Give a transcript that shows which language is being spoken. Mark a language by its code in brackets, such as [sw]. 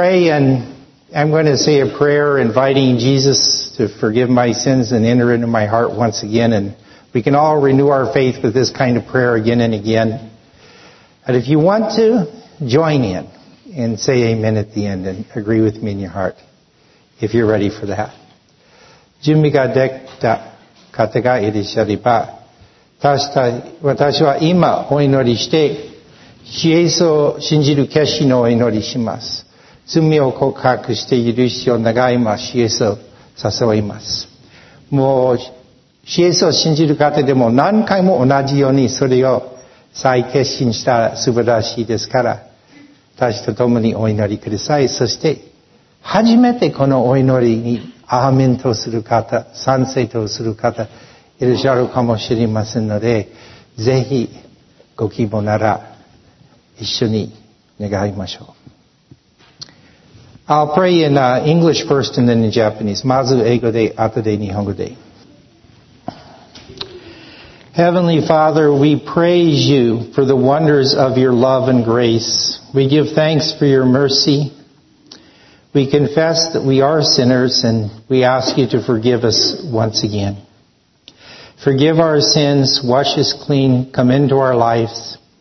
[en] I'm going to say a prayer inviting Jesus to forgive my sins and enter into my heart once again. And we can all renew our faith with this kind of prayer again and again. And if you want to, join in and say amen at the end and agree with me in your heart. If you're ready for that. [ja] 準備ができた方がいらっしゃれば、私は今お祈りして、イエスを信じる決心のお祈りします。罪を告白して許しを願います。イエスを誘います。もう、イエスを信じる方でも何回も同じようにそれを再決心したら素晴らしいですから、私と共にお祈りください。そして、初めてこのお祈りにアーメンとする方、賛成とする方、いらっしゃるかもしれませんので、ぜひ、ご希望なら、一緒に願いましょう。 [en] I'll pray in English first and then in Japanese. [ja] まず英語で、後で日本語で。 [en] Heavenly Father, we praise you for the wonders of your love and grace. We give thanks for your mercy. We confess that we are sinners and we ask you to forgive us once again. Forgive our sins, wash us clean, come into our lives.